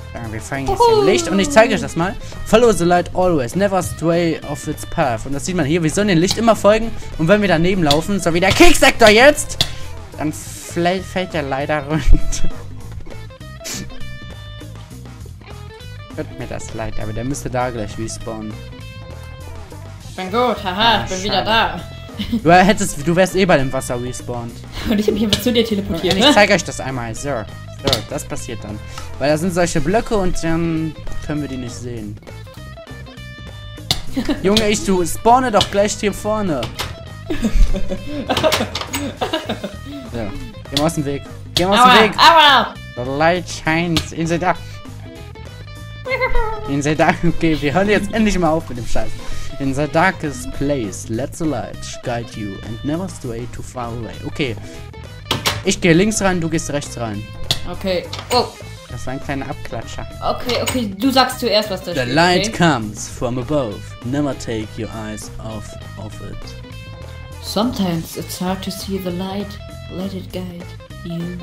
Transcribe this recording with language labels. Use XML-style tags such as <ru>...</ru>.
<de>Wir fangen jetzt im Licht und ich zeige euch das mal.</de> <en>Follow the light always, never stray off its path.</en> <de>Und das sieht man hier, wir sollen dem Licht immer folgen. Und wenn wir daneben laufen, so wie der Keksektor jetzt, dann fällt er leider runter. Hört mir das leid, aber der müsste da gleich respawnen. Ich bin gut, haha, ich bin wieder da. Du wärst eh bei dem Wasser respawned. Und ich hab mich einfach zu dir teleportiert. Ich zeige euch das einmal, Sir. So, das passiert dann. Weil da sind solche Blöcke und dann können wir die nicht sehen. Junge, ich du spawne doch gleich hier vorne. So, geh mal aus dem Weg. Geh mal aus dem Weg.</de> <en>The light shines in the dark. In the dark.</en> <de>Okay, wir hören jetzt endlich mal auf mit dem Scheiß.</de> <en>In the darkest place, let the light guide you and never stray too far away. Okay.</en> <de>Ich gehe links rein, du gehst rechts rein. Okay. Oh. Das war ein kleiner Abklatscher. Okay, du sagst zuerst, was da steht.</de> <en>The light comes from above. Never take your eyes off of it. Sometimes it's hard to see the light. Let it guide you.</en>